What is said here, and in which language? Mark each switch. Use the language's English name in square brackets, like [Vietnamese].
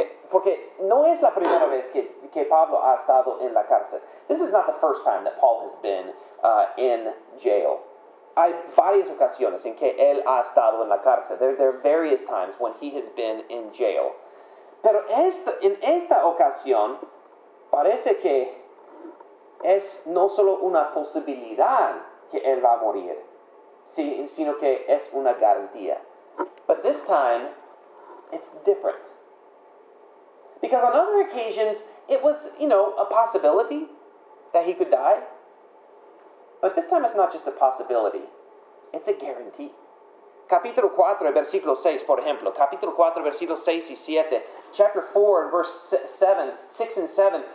[Spanish] Porque no es la primera vez que Pablo ha estado en la cárcel. [English] This is not the first time that Paul has been in jail. [Spanish] Hay varias ocasiones en que él ha estado en la cárcel. [English] There are various times when he has been in jail. [Spanish] Pero en esta ocasión parece que es no solo una posibilidad que él va a morir, sino que es una garantía. [English] But this time, it's different. Because on other occasions, it was, you know, a possibility that he could die. But this time it's not just a possibility. It's a guarantee. [Spanish] Capítulo 4, versículo 6, por ejemplo. Capítulo 4, versículo 6 y 7. [English] Chapter 4, and verse 7, 6 and 7.